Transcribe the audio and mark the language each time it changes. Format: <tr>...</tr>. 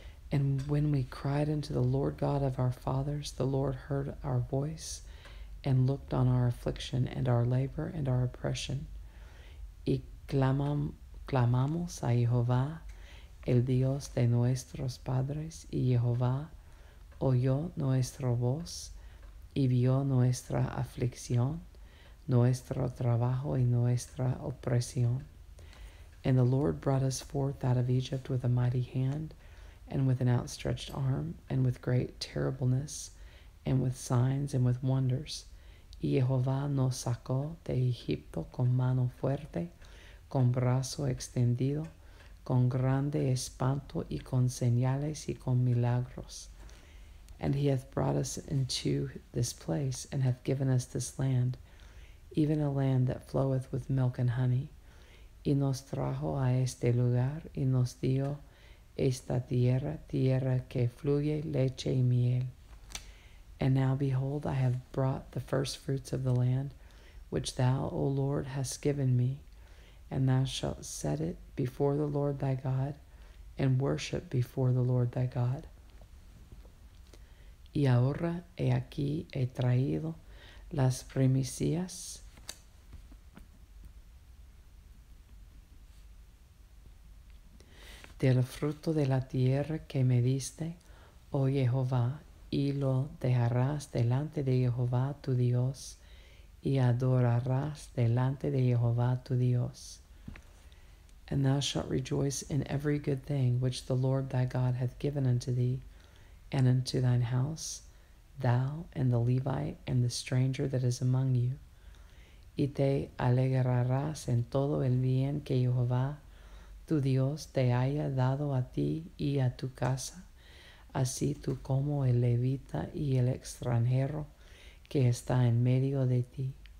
<en>And when we cried unto the Lord God of our fathers, the Lord heard our voice and looked on our affliction and our labor and our oppression.</en> <es>Y clamamos a Jehová, el Dios de nuestros padres, y Jehová oyó nuestra voz y vio nuestra aflicción, nuestro trabajo y nuestra opresión.</es> <en>And the Lord brought us forth out of Egypt with a mighty hand and with an outstretched arm and with great terribleness and with signs and with wonders.</en> <es>Y Jehová nos sacó de Egipto con mano fuerte, con brazo extendido, con grande espanto y con señales y con milagros.</es> <en>And he hath brought us into this place, and hath given us this land, even a land that floweth with milk and honey.</en> <es>Y nos trajo a este lugar, y nos dio esta tierra, tierra que fluye leche y miel.</es> <en>And now, behold, I have brought the first fruits of the land, which thou, O Lord, hast given me. And thou shalt set it before the Lord thy God, and worship before the Lord thy God.</en> <es>Y ahora he aquí he traído las primicias. Del fruto de la tierra que me diste, oh Jehová, y lo dejarás delante de Jehová tu Dios, y adorarás delante de Jehová tu Dios.</es> <en>And thou shalt rejoice in every good thing which the Lord thy God hath given unto thee, and unto thine house, thou and the Levite and the stranger that is among you.</en> <es>Y te alegrarás en todo el bien que Jehová tu Dios te haya dado a ti y a tu casa, así tú como el levita y el extranjero que está en medio de ti.</es>